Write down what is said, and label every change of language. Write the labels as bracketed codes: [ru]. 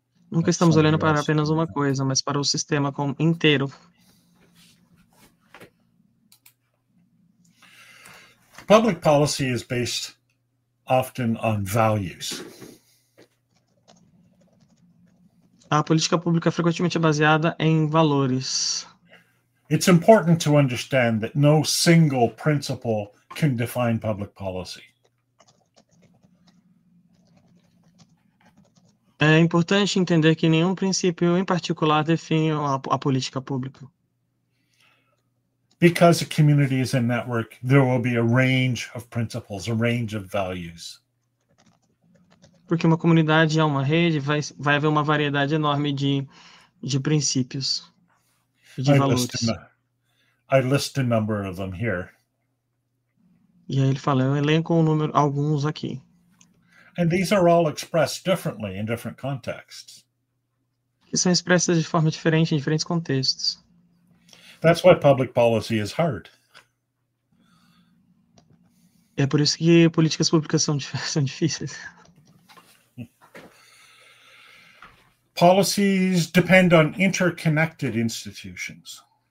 [pt] Nunca estamos olhando para apenas uma coisa, mas para o sistema inteiro. [en] Public policy is based often on values. [pt] A política pública frequentemente é baseada em valores. [en] It's important to understand that no single principle can define public policy. [pt] É importante entender que nenhum princípio em particular define a política pública. [en] Because a community is a network, there will be a range of principles, a range of values. [pt] Porque uma comunidade é uma rede, vai haver uma variedade enorme de princípios. de valores. [en] I list a number of them here. [pt] E aí ele fala, eu elenco um número, alguns aqui. [en] And these are all expressed differently in different contexts. [pt] Que são expressas de forma diferente em diferentes contextos. [en] That's why public policy is hard. [pt] É por isso que políticas públicas são difíceis. [en] Policies depend on interconnected institutions.